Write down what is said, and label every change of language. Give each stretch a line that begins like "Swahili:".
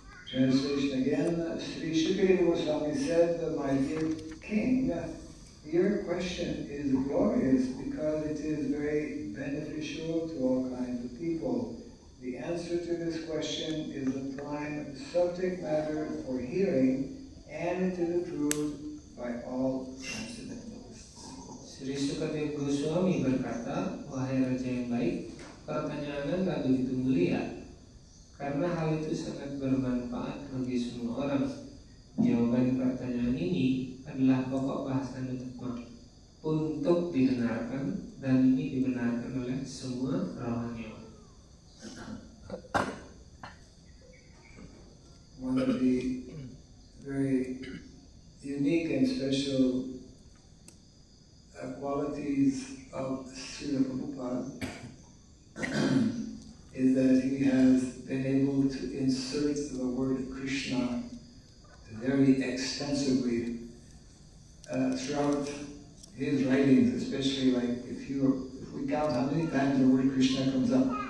English: Translation again, Sri Shukadeva Goswami said, my dear king, your question is glorious because it is very beneficial to all kinds of people. The answer to this question is a prime subject matter for hearing and it is approved by all transcendental.
Indonesian: Sri Sukadeva Goswami berkata, wahai raja yang baik, pertanyaan Anda begitu mulia, karena hal itu sangat bermanfaat bagi semua orang. Jawaban pertanyaan ini adalah pokok bahasan utama untuk didengarkan dan ini dibenarkan oleh semua rohaniwan.
English: One of the very unique and special qualities of Srila Prabhupada is that he has been able to insert the word Krishna very extensively throughout his writings, especially like if we count how many times the word Krishna comes up,